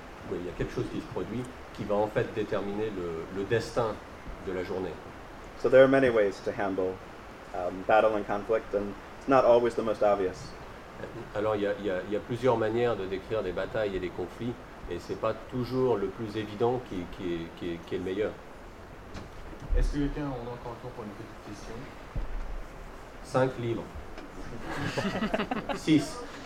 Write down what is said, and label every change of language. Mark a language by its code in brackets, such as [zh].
[fr] Il y a quelque chose qui se produit qui va en fait déterminer le destin de la journée. [en] So there are many ways to handle battle and conflict, and it's not always the most obvious. [fr] Alors il y a plusieurs manières de décrire des batailles et des conflits, et c'est pas toujours le plus évident qui est le meilleur. Est-ce que quelqu'un a encore le temps pour une petite question? 5 livres. 6.